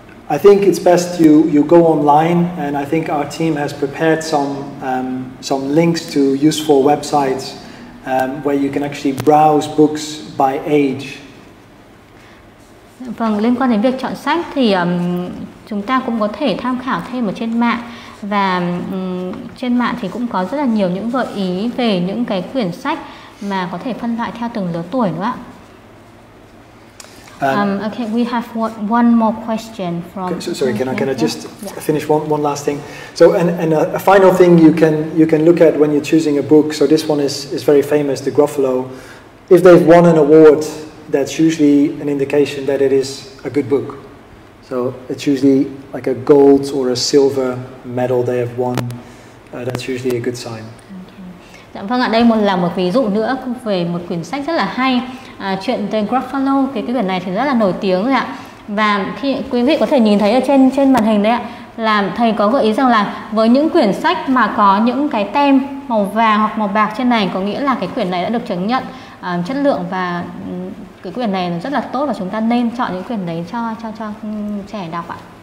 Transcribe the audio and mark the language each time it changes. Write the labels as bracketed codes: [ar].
[en] I think it's best you go online, and I think our team has prepared some links to useful websites where you can actually browse books by age. [vi] Vâng, liên quan đến việc chọn sách thì chúng ta cũng có thể tham khảo thêm ở trên mạng, và trên mạng thì cũng có rất là nhiều những gợi ý về những cái quyển sách mà có thể phân loại theo từng lứa tuổi nữa ạ. [en] Okay, we have one more question from. Okay, sorry, can I just yeah. finish one last thing? So and a final thing you can look at when you're choosing a book. So this one is very famous, The Gruffalo. If they've won an award, that's usually an indication that it is a good book. So it's usually like a gold or a silver medal they have won. That's usually a good sign. [vi] Dạ vâng ạ, đây là một ví dụ nữa về một quyển sách rất là hay. Chuyện The Gruffalo, cái quyển này thì rất là nổi tiếng rồi ạ. Và khi quý vị có thể nhìn thấy ở trên màn hình đấy ạ, là thầy có gợi ý rằng là với những quyển sách mà có những cái tem màu vàng hoặc màu bạc trên này, có nghĩa là cái quyển này đã được chứng nhận chất lượng, và cái quyển này rất là tốt, và chúng ta nên chọn những quyển đấy cho trẻ đọc ạ.